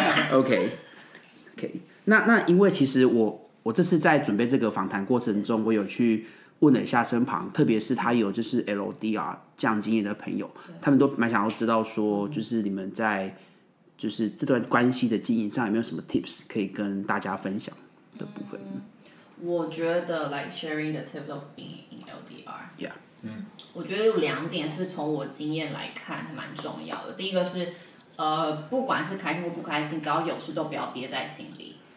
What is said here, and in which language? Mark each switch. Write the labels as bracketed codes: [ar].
[zh] okay. 那因为其实我这次在准备这个访谈过程中，我有去问了一下身旁，特别是他有就是 LDR 这样经验的朋友，他们都蛮想要知道说，就是你们在就是这段关系的经营上有没有什么 tips 可以跟大家分享的部分。我觉得 [en] like sharing the tips of being in LDR yeah、 [zh] 我觉得有两点是从我经验来看还蛮重要的。第一个是不管是开心或不开心，只要有事都不要憋在心里。